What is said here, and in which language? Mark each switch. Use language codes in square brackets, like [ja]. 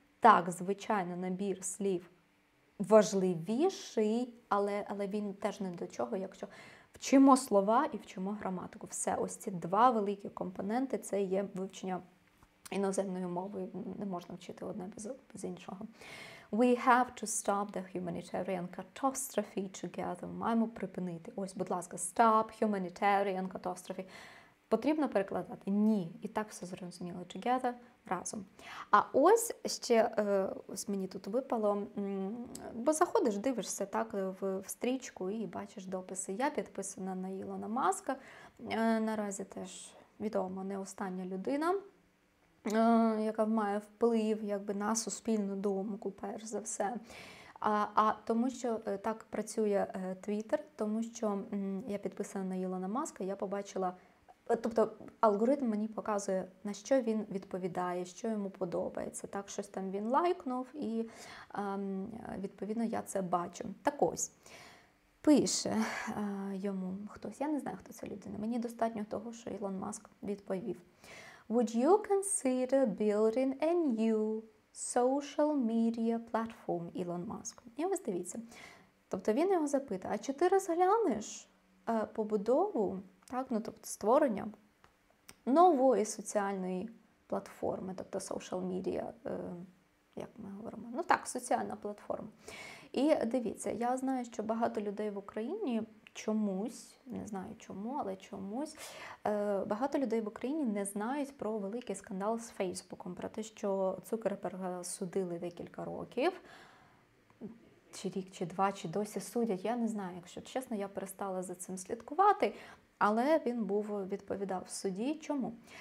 [uk] Так, звичайно, набір слів важливіший, але він теж не до чого, якщо вчимо слова і вчимо граматику. Все, ось ці два великі компоненти – це є вивчення іноземною мовою. Не можна вчити одне без іншого. [en] We have to stop the humanitarian catastrophe together. [uk] Маємо припинити. Ось, будь ласка, [en] stop humanitarian catastrophe. [uk] Потрібно перекладати? Ні. І так все зрозуміло. Together – разом. А ось ще, ось мені тут випало, бо заходиш, дивишся так в стрічку і бачиш дописи. Я підписана на Ілона Маска. Наразі теж, відомо, не остання людина, яка має вплив якби на суспільну думку, перш за все. А тому що так працює Твіттер, тому що я підписана на Ілона Маска, я побачила, тобто алгоритм мені показує, на що він відповідає, що йому подобається. Так, щось там він лайкнув, і відповідно я це бачу. Так ось, пише йому хтось, я не знаю, хто ця людина, мені достатньо того, що Ілон Маск відповів. [en] Would you consider building a new social media platform, Elon Musk? [uk] І ось дивіться. Тобто він його запитує, а чи ти розглянеш побудову, так, ну, тобто створення нової соціальної платформи, тобто social media, як ми говоримо, ну так, соціальна платформа. І дивіться, я знаю, що багато людей в Україні багато людей в Україні не знають про великий скандал з Фейсбуком, про те, що Цукерберга судили декілька років, чи рік, чи два, чи досі судять, я не знаю, якщо чесно, я перестала за цим слідкувати, але він був відповідав в суді. Чому?